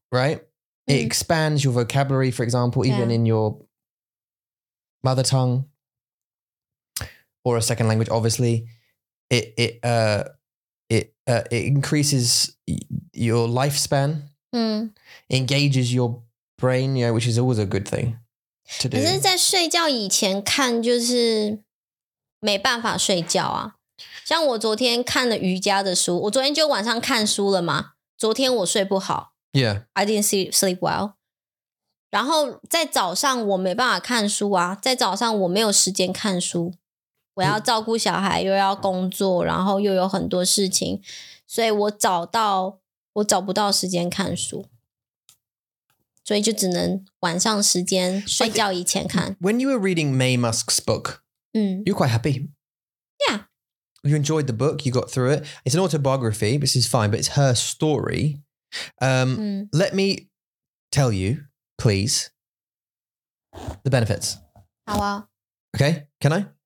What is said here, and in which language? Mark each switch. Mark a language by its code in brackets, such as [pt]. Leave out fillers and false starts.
[en] Right?、嗯、it expands your vocabulary, for example, even、yeah. in your mother tongue or a second language, obviously. It increases your lifespan,、 mm. engages your brain, you know, which is always a good thing to do. [zh] 可是在睡觉以前看就是没办法睡觉啊。像我昨天看了瑜伽的书，我昨天就晚上看书了嘛。昨天我睡不好 [en] ，Yeah, I didn't sleep well. [zh] 然后在早上我没办法看书啊，在早上我没有时间看书。我要照顾小孩又要工作然后又有很多事情所以我找不到时间看书所以就只能晚上时间睡觉以前看 [en] When you were reading May Musk's book、嗯、 You're quite happy Yeah You enjoyed the book, you got through it It's an autobiography, which is fine, but it's her story、嗯、Let me tell you, please The benefits [zh] 好啊 [en] Okay, can I?